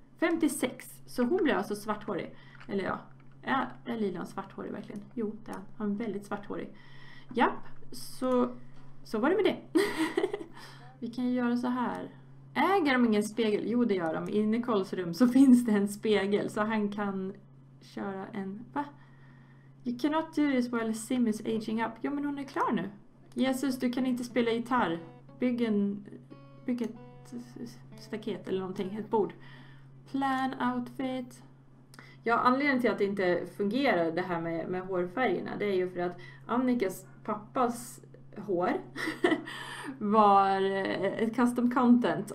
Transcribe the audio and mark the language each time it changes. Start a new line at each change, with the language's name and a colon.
Swedish: 56, så hon blir alltså svarthårig. Eller ja, är Lilan svarthårig verkligen? Jo, det är han. Han är väldigt svarthårig. Japp, så var det med det. Vi kan ju göra så här. Äger de ingen spegel? Jo, det gör de. I Nicoles rum så finns det en spegel. Så han kan köra en... Va?
English: You cannot do this while Sim is aging up.
Swedish: Jo, men hon är klar nu. Jesus, du kan inte spela gitarr. Bygg ett staket eller någonting. Ett bord.
English: Plan outfit.
Swedish: Ja, anledningen till att det inte fungerar det här med hårfärgerna. Det är ju för att Annikas pappas hår var ett custom content.